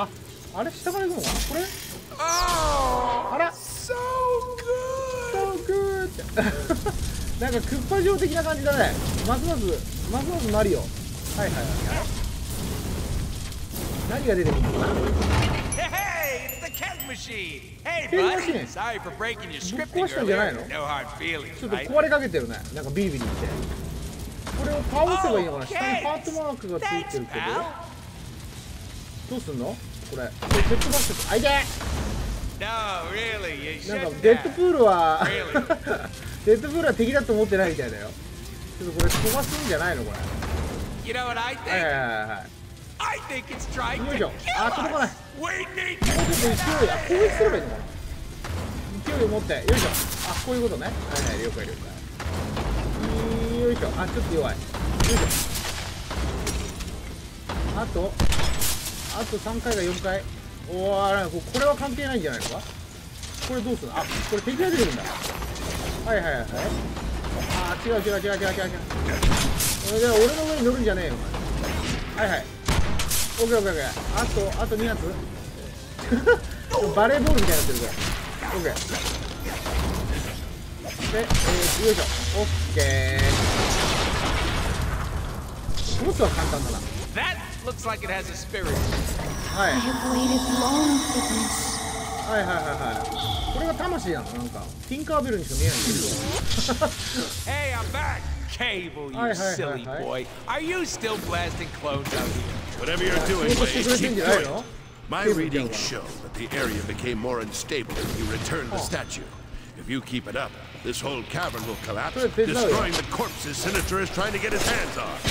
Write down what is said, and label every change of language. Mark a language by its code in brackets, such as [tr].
[ja] あ、あれ下から行くのかな、これ。あら、 [en] So good! So good! [ja] なんかクッパ状的な感じだね。ますますますますマリオ。はいはいはい、何が出てくるの？ [en] Hey, it's the keg machine. Hey, buddy. Sorry for breaking your scripting earlier. [ja] ちょっと壊れかけてるね。なんかビービーって。これを倒せばいいのかな？下にハートマークがついてるけど。どうすんの？これ。デッドバスケ。あいで。 [en] No, really. [ja] なんかデッドプールは デッドプールは敵だと思ってないみたいだよ。ちょっとこれ飛ばすんじゃないのこれ。 [en] You know what I think? [ja] はいはいはい。 [en] I think it's trying to kill us! We need to get out! [ja] 攻撃すればいいのかな？勢いを持って、よいしょ。あ、こういうことね。はいはい、了解了解。よいしょ。あ、ちょっと弱い。よいしょ。あと3回か4回。おお、これは関係ないんじゃないのか？これどうするの？あ、これ敵が出てるんだ。はいはいはい。あ、違う違う違う違う違う。俺の上に乗るんじゃねえよ。はいはい、オッケーオッケーオッケー、あと、あと2発バレーボールみたいになってるこれ、オッケーで、よいしょ、オッケー、もっとは簡単だな。 [en] That looks like it has a spirit. [ja] はい、はいはいはいはい、これが魂なの、なんかティンカービルにしか見えないんだけど。 [en] Hey, I'm back! Cable, you silly boy. Are you still blasting clones out here? Whatever you're doing, Wade, keep going. My readings show that the area became more unstable when you returned the statue. If you keep it up, this whole cavern will collapse, destroying the corpses Sinister is trying to get his hands on.